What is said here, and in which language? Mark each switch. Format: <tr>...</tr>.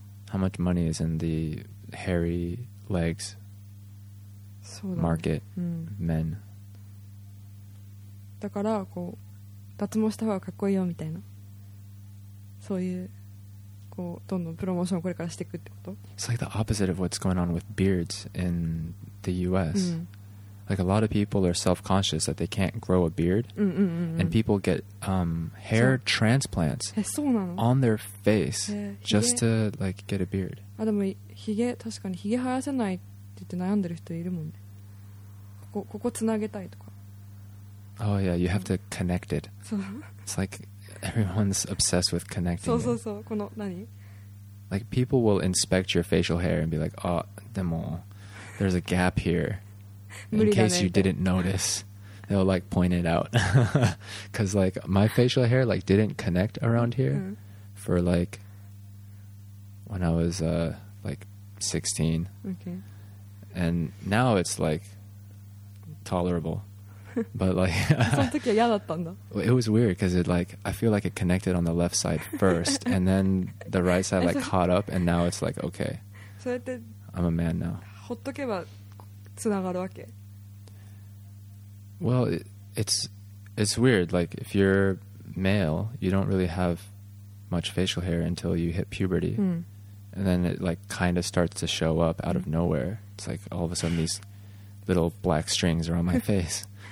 <en>How much money is in the hairy legs market, men?</en> <ja>だからこう脱毛した方がかっこいいよみたいなそういう。こうどんどんプロモーションをこれからしていくってこと?</ja> <en>It's like the opposite of what's going on with beards in the US. Like a lot of people are self-conscious that they can't grow a beard. And people get hair transplants on their face just to like get a beard.</en> <ja>あ、でもヒゲ、確かにヒゲ生やせないって言って悩んでる人いるもんね。ここつなげたいとか。</ja> <en>Oh yeah, you have to connect it. It's like... Everyone's obsessed with connecting.</en> <ja>そうそうそう。この何?</ja> <en>Like people will inspect your facial hair and be like, "Ah, でも, there's a gap here." In case you didn't notice, they'll like point it out. Because like my facial hair like didn't connect around here for like when I was like 16. Okay. And now it's like tolerable. But like,</en> <ja>その時は嫌だったんだ。</ja> <en>It was weird because it like I feel like it connected on the left side first, and then the right side like caught up, and now it's like okay.</en> <ja>そうやって</ja> <en>I'm a man now.</en> <ja>ほっとけばつながるわけ。</ja> <en>Well, it's weird. Like if you're male, you don't really have much facial hair until you hit puberty,、</en> <ja>うん、</ja> <en>and then it like kind of starts to show up out、うん、of nowhere. It's like all of a sudden these little black strings are on my face.</en>